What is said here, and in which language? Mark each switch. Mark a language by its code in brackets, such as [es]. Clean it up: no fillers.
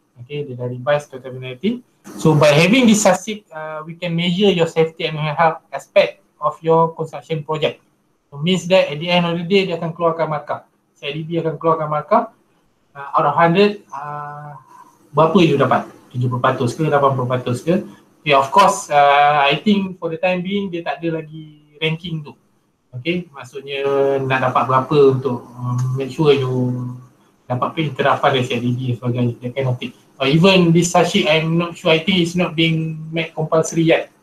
[en] Okay, [ms] dia dah [en] revised 2018. So by having this SASIP, we can measure your safety and health aspect of your construction project. So means that at the end of the day, [ms] dia akan keluarkan markah. [en] CIDB akan keluarkan markah. Out of 100, [ms] berapa you dapat? 70% ke, 80% ke? [en] Okay, of course, I think for the time being, [ms] dia tak ada lagi ranking tu. Okay, maksudnya nak dapat berapa untuk [en] make sure [ms] you dapat penterapan dari CIDB sebagainya. [en] That kind of thing. Or even this sashi, I'm not sure, I think it's not being made compulsory yet.